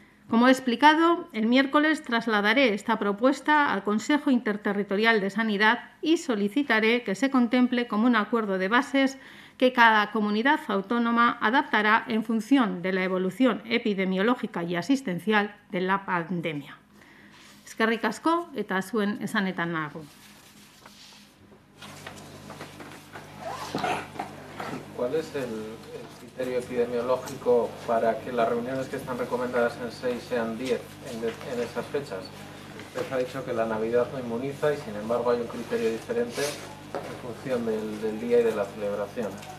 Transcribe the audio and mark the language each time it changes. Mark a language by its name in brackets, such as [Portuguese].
[Spanish] Como he explicado, el miércoles trasladaré esta propuesta al Consejo Interterritorial de Sanidad y solicitaré que se contemple como un acuerdo de bases que cada comunidad autónoma adaptará en función de la evolución epidemiológica y asistencial de la pandemia. [Basque] Eskerrik asko eta zuen esanetan nago. [Spanish] ¿Cuál es el criterio epidemiológico para que las reuniones que están recomendadas en 6 sean 10 en esas fechas? Usted ha dicho que la Navidad no inmuniza y, sin embargo, hay un criterio diferente en función del día y de la celebración.